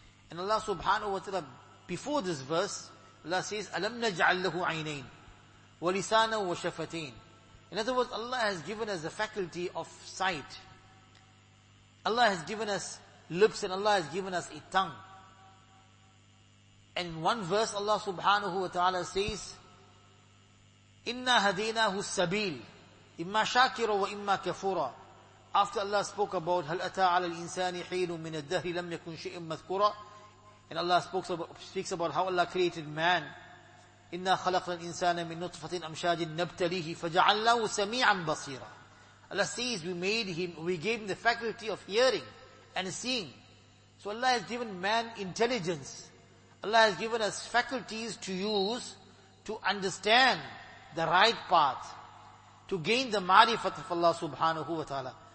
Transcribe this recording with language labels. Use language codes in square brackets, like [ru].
[en] And Allah subhanahu wa ta'ala, before this verse, Allah says, [ar] أَلَمْ نَجْعَلْ لَهُ عَيْنَيْنِ وَلِسَانًا وَشَفَتَيْنِ. [en] In other words, Allah has given us the faculty of sight. Allah has given us lips, and Allah has given us a tongue. And in one verse, Allah subhanahu wa ta'ala says, [ar] إِنَّا هَدَيْنَاهُ السَّبِيلِ إِمَّا شَاكِرًا وَإِمَّا كَفُورًا. [en] After Allah spoke about [ar] هَلْ أَتَى عَلَى الْإِنسَانِ حِينٌ مِّنَ الدَّهْرِ لَمْ يَكُنْ شِئٍ مَذْكُرًا. [en] And Allah speaks about how Allah created man. [ar] إِنَّا خَلَقْنَا الْإِنسَانَ مِنْ نُطْفَةٍ أَمْشَاجٍ نَبْتَلِيهِ فَجَعَلْنَاهُ سَمِيعًا بَصِيرًا. [en] Allah says, we gave him the faculty of hearing and seeing. So Allah has given man intelligence. Allah has given us faculties to use to understand the right path, to gain the ma'rifat of Allah subhanahu wa ta'ala.